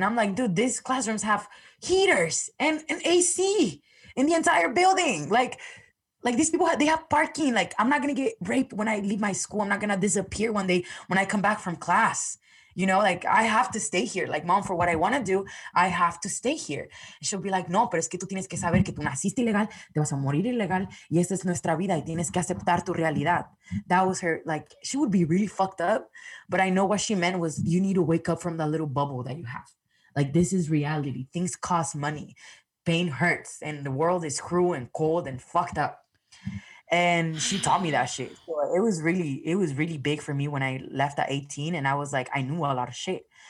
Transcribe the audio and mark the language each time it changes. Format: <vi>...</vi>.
<en>And I'm like, dude, these classrooms have heaters and an AC in the entire building. Like these people, they have parking. Like, I'm not going to get raped when I leave my school. I'm not going to disappear one day when I come back from class. You know, like, I have to stay here. Like, mom, for what I want to do, I have to stay here. She'll be like,</en> <es>no, pero es que tú tienes que saber que tú naciste ilegal, te vas a morir ilegal, y esa es nuestra vida, y tienes que aceptar tu realidad.</es> <en>That was her, like, she would be really fucked up. But I know what she meant was, you need to wake up from that little bubble that you have. Like, this is reality. Things cost money. Pain hurts, and the world is cruel and cold and fucked up. And she taught me that shit. So it was really big for me when I left at 18, and I was like, I knew a lot of shit.</en>